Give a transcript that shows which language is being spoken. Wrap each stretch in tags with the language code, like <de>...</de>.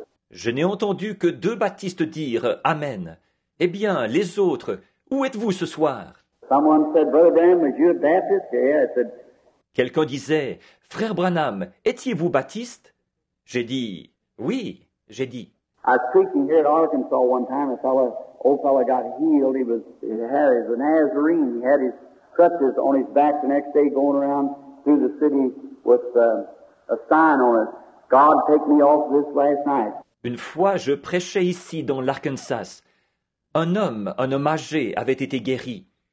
<fr>Je n'ai entendu que deux baptistes dire « Amen ». Eh bien, les autres, où êtes-vous ce soir?</fr> <en>Someone said, Brother Branham, are you a Baptist? Yeah, I said.</en> <fr>Quelqu'un disait, Frère Branham, étiez-vous baptiste? J'ai dit, oui, j'ai dit.</fr> <en>I was preaching here at Arkansas one time, an old fellow got healed. He had his Nazarene. He had his crutches on his back the next day going around through the city with a sign on it. God take me off this last night.</en> <fr>Une fois, je prêchais ici dans l'Arkansas. Un homme âgé avait été guéri.</fr>